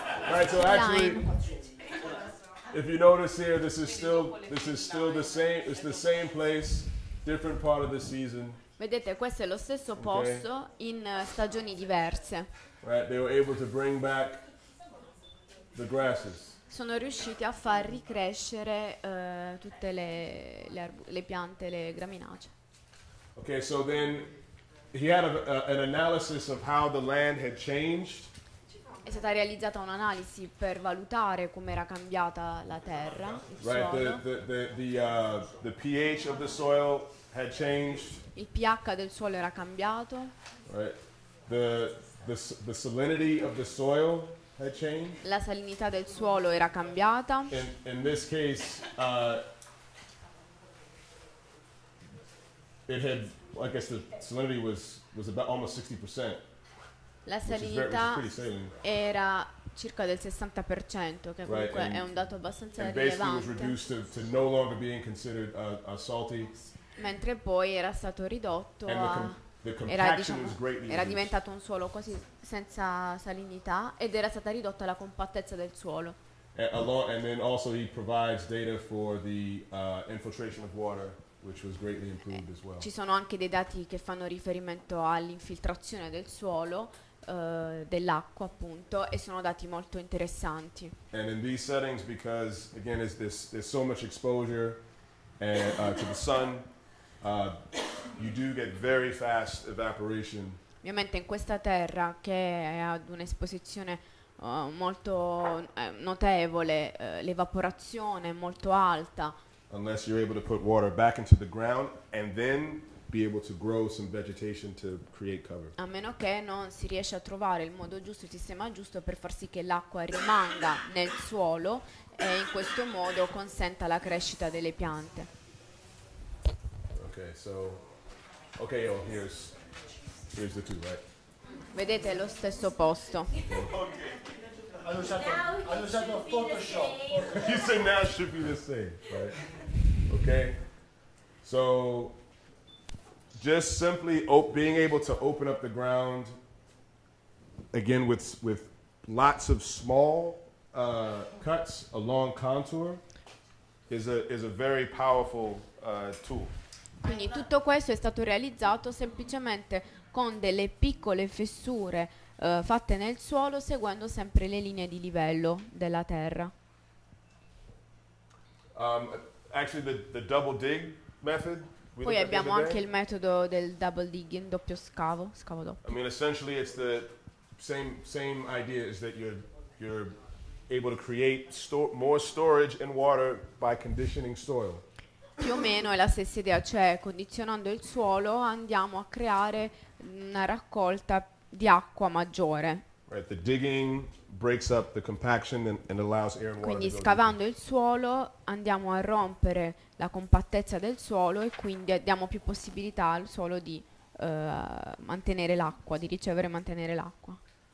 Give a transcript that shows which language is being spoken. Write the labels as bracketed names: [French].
[English] Right, so actually if you notice here, this is still the same, it's the same place, different part of the season. [Italian] Vedete, questo è lo stesso posto in stagioni diverse. [English] Right, they were able to bring back the grasses. [Italian] Sono riusciti a far ricrescere tutte le piante, le graminacee. [English] Okay, so then he had an analysis of how the land had changed. [Italian] È stata realizzata un'analisi per valutare come era cambiata la terra, il suolo. [English] Right, the pH of the soil had changed. [Italian] Il pH del suolo era cambiato. [English] Right. The salinity of the soil had changed. [Italian] La salinità del suolo era cambiata. [English] In this case, it had, I guess the salinity was about almost 60%. [Italian] La salinità era circa del 60%, che comunque [English] right, [Italian] è un dato abbastanza [English] and [Italian] rilevante. [English] Basically was reduced to no longer being considered a salty. [Italian] Mentre poi era stato ridotto [English] and a [Italian] era diventato un suolo quasi senza salinità ed era stata ridotta la compattezza del suolo. [English] And then also he provides data for the infiltration of water, which was greatly improved as well. [Italian] Ci sono anche dei dati che fanno riferimento all'infiltrazione del suolo, dell'acqua appunto, e sono dati molto interessanti. [English] And in these settings, because again is this there's so much exposure and, to the sun, you do get very fast evaporation. [Italian] Ovviamente in questa terra che è ad un'esposizione molto notevole, l'evaporazione è molto alta. [English] Unless you're able to put water back into the ground and then be able to grow some vegetation to create cover. [Italian] A meno che non si riesce a trovare il modo giusto, il sistema giusto per far sì che l'acqua rimanga nel suolo e in questo modo consenta la crescita delle piante. [English] Okay, so okay, oh, here's the two, right? [Italian] Vedete, è lo stesso posto. [English] Okay. [Italian] Hanno usato Photoshop. [English] You said now it should be the same, right? Okay. So just simply being able to open up the ground again with lots of small cuts along contour is a very powerful tool. [Italian] Quindi tutto questo è stato realizzato semplicemente con delle piccole fessure fatte nel suolo seguendo sempre le linee di livello della terra. [English] Actually the double dig method. [Italian] Poi abbiamo anche il metodo del double digging, doppio scavo, scavo doppio. [English] I mean essentially it's the same idea, is that you're able to create more storage in water by conditioning soil. [Italian] Più o meno è la stessa idea, cioè condizionando il suolo andiamo a creare una raccolta di acqua maggiore. [English] Right, the digging breaks up the compaction and allows air and water. [Italian] Quindi scavando il suolo andiamo a rompere la compattezza del suolo e quindi diamo più possibilità al suolo di mantenere l'acqua, di ricevere e mantenere l'acqua.